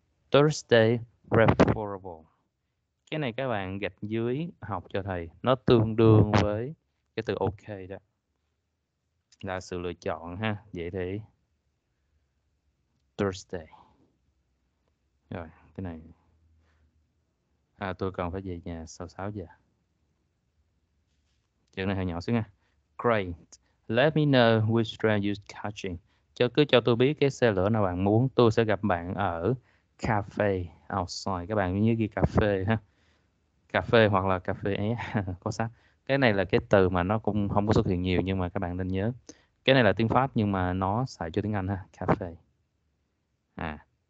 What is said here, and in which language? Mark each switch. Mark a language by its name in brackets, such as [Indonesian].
[Vietnamese] Thursday preferable. Cái này các bạn gạch dưới học cho thầy, nó tương đương với cái từ ok đó, là sự lựa chọn ha. Vậy thì Thursday. Rồi, cái này. À, tôi cần phải về nhà sau 6 giờ. Chữ này hơi nhỏ xíu nha. Great. [English] Let me know which train you're catching. [Vietnamese] Chứ cứ cho tôi biết cái xe lửa nào bạn muốn. Tôi sẽ gặp bạn ở cafe outside. Các bạn nhớ ghi cà phê ha. Cà phê hoặc là cà phê ấy. Có sao? Cái này là cái từ mà nó cũng không có xuất hiện nhiều nhưng mà các bạn nên nhớ. Cái này là tiếng Pháp nhưng mà nó xài cho tiếng Anh ha. Cafe. À.